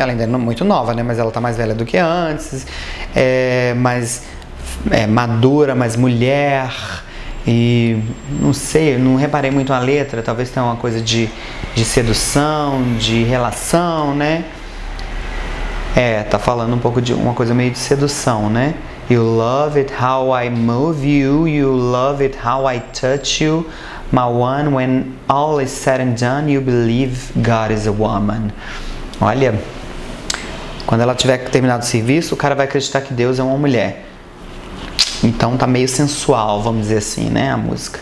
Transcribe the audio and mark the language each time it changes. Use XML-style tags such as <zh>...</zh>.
<pt>Ela ainda não é muito nova, né? Mas ela tá mais velha do que antes. É madura, mas mulher, e não sei, não reparei muito a letra, talvez tenha uma coisa de sedução, de relação, né? Tá falando um pouco de uma coisa meio de sedução, né?</pt> <en>You love it how I move you, you love it how I touch you, my one, when all is said and done, you believe God is a woman.</en> <pt>Olha, quando ela tiver terminado o serviço, o cara vai acreditar que Deus é uma mulher. Então tá meio sensual, vamos dizer assim, né, a música.</pt>